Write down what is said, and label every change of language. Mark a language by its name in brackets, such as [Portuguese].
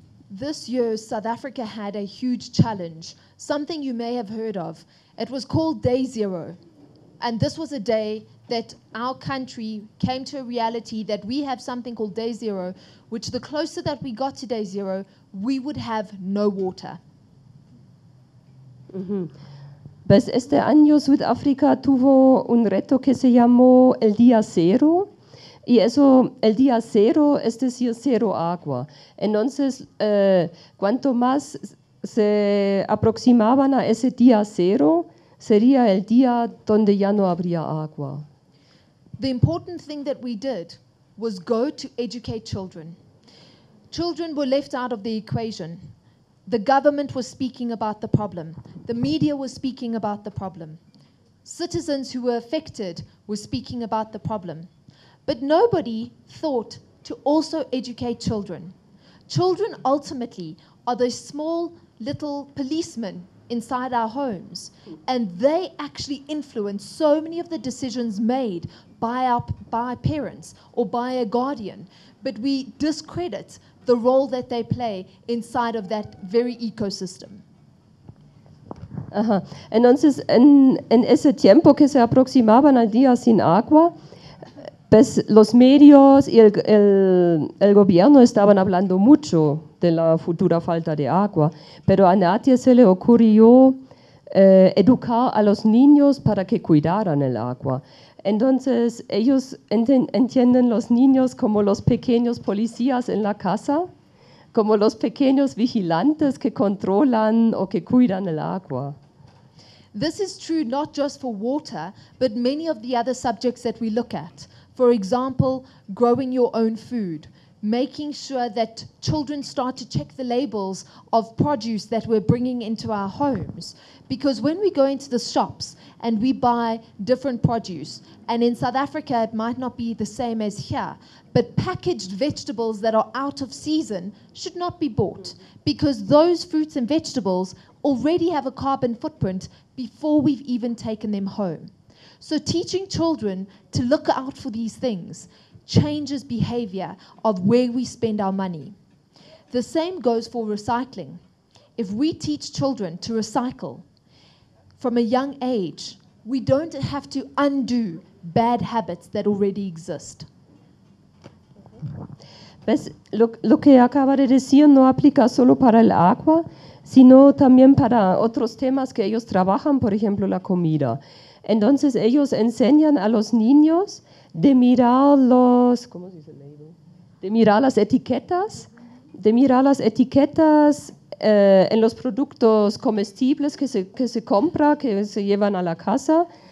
[English] This year, South Africa had a huge challenge, something you may have heard of. It was called Day Zero. And this was a day that our country came to a reality that we have something called Day Zero, which the closer that we got to Day Zero, we would have no water. [Spanish] Pues este año Sudáfrica tuvo un reto que se llamó el Día Cero. Y eso, el Día Cero, es decir, cero agua. Entonces, cuanto más se aproximaban a ese Día Cero, sería el día donde ya no habría agua. [English] The important thing that we did was go to educate children. Children were left out of the equation. The government was speaking about the problem. The media was speaking about the problem. Citizens who were affected were speaking about the problem. But nobody thought to also educate children. Children ultimately are the small little policemen inside our homes, and they actually influence so many of the decisions made by parents or by a guardian, but we discredit the role that they play inside of that very ecosystem. Ajá. [Spanish] Entonces, en ese tiempo que se aproximaban al día sin agua, pues los medios y el gobierno estaban hablando mucho de la futura falta de agua, pero a nadie se le ocurrió educar a los niños para que cuidaran el agua. Entonces, ellos entienden los niños como los pequeños policías en la casa, como los pequeños vigilantes que controlan o que cuidan el agua. [English] This is true not just for water, but many of the other subjects that we look at. For example, growing your own food, making sure that children start to check the labels of produce that we're bringing into our homes. Because when we go into the shops and we buy different produce, and in South Africa it might not be the same as here, but packaged vegetables that are out of season should not be bought, because those fruits and vegetables already have a carbon footprint before we've even taken them home. So teaching children to look out for these things changes behavior of where we spend our money. The same goes for recycling. If we teach children to recycle from a young age, we don't have to undo bad habits that already exist. [Spanish] Pues lo que acaba de decir no aplica solo para el agua, sino también para otros temas que ellos trabajan, por ejemplo, la comida. Entonces ellos enseñan a los niños de mirar los, ¿cómo se dice el label? De mirar las etiquetas, de mirar las etiquetas en los productos comestibles que se compra, que se llevan a la casa.